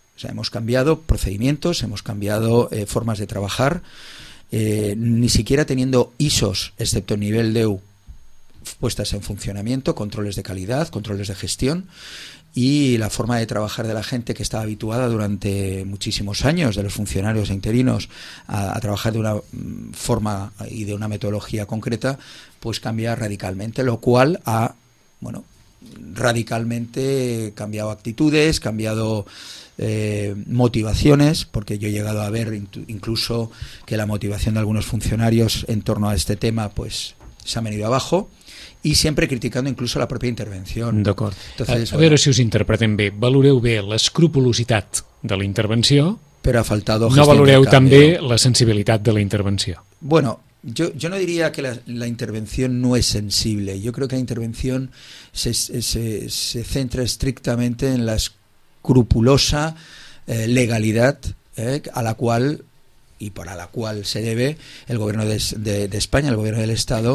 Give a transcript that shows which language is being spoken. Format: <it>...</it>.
<es>O sea, hemos cambiado procedimientos, hemos cambiado formas de trabajar, ni siquiera teniendo ISOs, excepto nivel DEU, puestas en funcionamiento, controles de calidad, controles de gestión, y la forma de trabajar de la gente que estaba habituada durante muchísimos años, de los funcionarios interinos, a trabajar de una forma y de una metodología concreta, pues cambia radicalmente, lo cual ha, bueno, radicalmente cambiado actitudes, cambiado motivaciones, porque yo he llegado a ver incluso que la motivación de algunos funcionarios en torno a este tema, pues se ha venido abajo, y siempre criticando incluso la propia intervención.</es> <ca>D'acord. A veure si us interpretem bé. Valoreu bé l'escrupulositat de la intervenció, però ha faltat gestió. No valoreu també la sensibilitat de la intervenció.</ca> <es>Bueno, yo no diría que la intervención no es sensible. Yo creo que la intervención se centra estrictamente en la escrupulosa legalidad a la cual... y para la cual se debe el gobierno de España, el gobierno del Estado.</es>